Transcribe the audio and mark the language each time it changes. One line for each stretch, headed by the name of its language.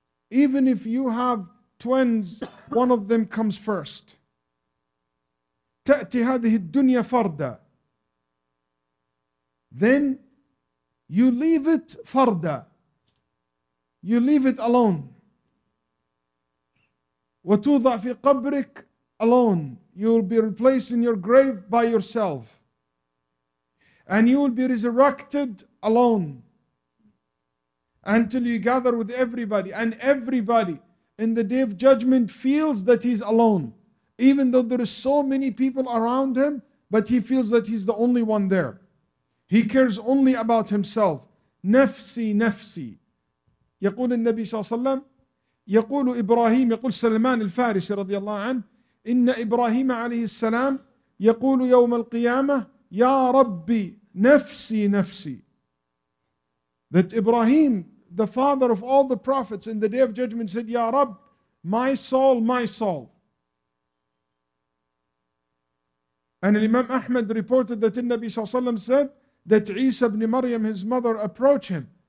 English: Even if you have twins, one of them comes first.
Arabic: تأتي هذه الدنيا فردا.
English: Then you leave it
Arabic: فردا.
English: You leave it alone.
Arabic: وتوضع في قبرك
English: alone. You will be replaced in your grave by yourself. And you will be resurrected alone. Until you gather with everybody and everybody in the day of judgment feels that he's alone, even though there are so many people around him, but he feels that he's the only one there. He cares only about himself.
Arabic: Nafsi, nafsi. يقول النبي صلى الله عليه وسلم يقول إبراهيم يقول سلمان الفارسي رضي الله عنه إن إبراهيم عليه السلام يقول يوم القيامة يا ربي نفسي نفسي.
English: That Ibrahim, the father of all the prophets, in the day of judgment said,
Arabic: Ya Rab,
English: my soul, my soul. And Imam Ahmed reported that Nabi Sallallahu Alaihi Wasallam said that Isa ibn Maryam, his mother, approached him.